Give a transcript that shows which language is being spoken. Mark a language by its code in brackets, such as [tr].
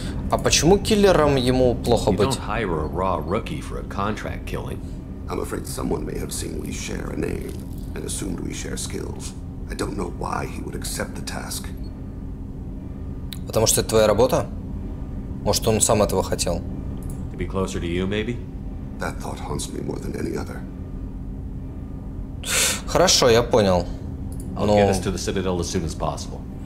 [ru] А почему киллером ему плохо быть? [en] You don't hire a raw rookie for a contract killing. I'm afraid someone may have seen we share a name and assumed we share skills. I don't know why he would accept the task. [ru] Потому что это твоя работа? Может, он сам этого хотел? [en] To be closer to you, maybe? That thought haunts me more than any other. [ru] Хорошо, я понял. [en] I'll get us to the Citadel as soon as possible.